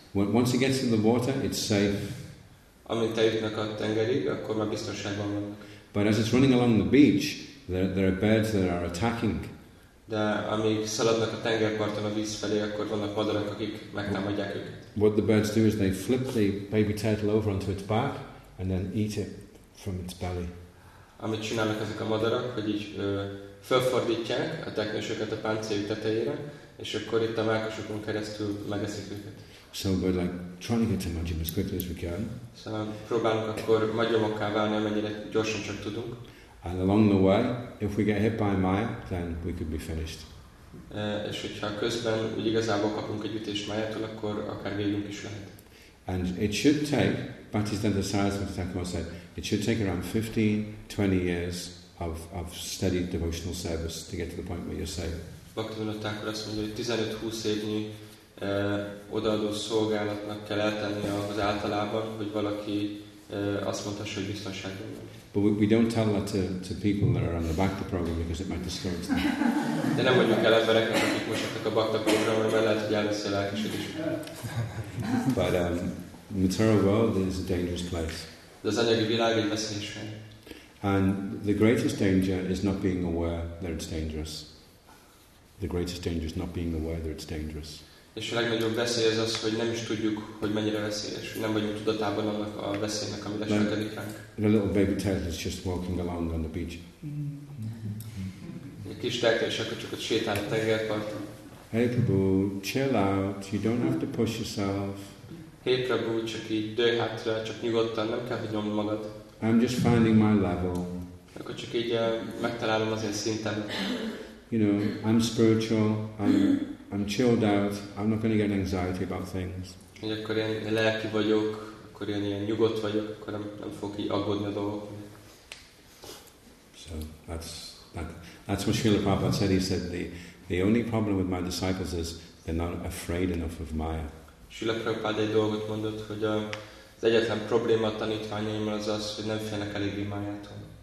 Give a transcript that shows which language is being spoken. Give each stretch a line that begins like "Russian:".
English: Once it gets in the water, it's safe.
Hungarian: Amint eljutnak a tengerig, akkor már biztonságban vannak.
English: But as it's running along the beach, there are birds that are attacking.
Hungarian: De amíg szaladnak a tengerparton a víz felé, akkor vannak madarak, akik megtámadják őket.
English: What the birds do is they flip the baby turtle over onto its back and then eat it from its belly.
Hungarian: Amit csinálnak ezek a madarak, hogy így felfordítják a teknősöket a páncéljuk tetejére, és akkor itt a mellkasukon keresztül megeszik őket.
English: So we're like trying to get to Majjhima as quickly as we can.
Hungarian: Szóval próbálunk akkor Majjhimokká válni, amennyire gyorsan csak tudunk.
English: And along the way, if we get hit by a Maya, then we could be finished.
Hungarian: És hogyha közben úgy igazából kapunk egy ütést Mayától, akkor akár végünk is lehet.
English: And it should take, Bhaktisiddhanta Sarasvati Thakur said, it should take around 15-20 years of studied devotional service to get to the point where you're saved.
Hungarian: Bhaktivinoda Thakur azt mondja, hogy 15-20 évnyi odaadó szolgálatnak kell eltenni az általában, hogy valaki azt mondhassa, hogy biztonságban van.
English: But we don't tell that to people that are on the Bhakti program because it might discourage them.
Hungarian: De nem mondjuk el embereknek, akik most jöttek a Bhakti program, mert lehet, hogy elveszi a lelkesedésüket.
English: But material world is a dangerous place.
Hungarian: De az anyagi világ egy veszélyes hely.
English: And the greatest danger is not being aware that it's dangerous. The greatest danger is not being aware that it's dangerous.
Hungarian: És a legnagyobb veszély az az, hogy nem is tudjuk, hogy mennyire veszélyes. Nem vagyunk tudatában annak a veszélynek, ami esetlenik ránk.
English: The little baby turtle is just walking along on the beach.
Hungarian: A kis tekercsek csak ott sétál a tengerparton.
English: Hey Prabhu, chill out, you don't have to push yourself.
Hungarian: Hey Prabhu, csak így dőj hátra, csak nyugodtan, nem kell, hogy nyomd magad.
English: I'm just finding my level.
Hungarian: Akkor csak így megtalálom az én szintem.
English: You know, I'm spiritual, I'm chilled out, I'm not going to get anxiety about things.
Hungarian: Hogy akkor én lelki vagyok, akkor én ilyen nyugodt vagyok, akkor nem fogok így aggódni a dolgok.
English: So, that's what Srila Prabhupada said. He said, the only problem with my disciples is they're not afraid enough of Maya.
Hungarian: Srila Prabhupada egy dolgot mondott, hogy az egyetlen probléma a tanítványaimmal az az, hogy nem félnek elég Mayától.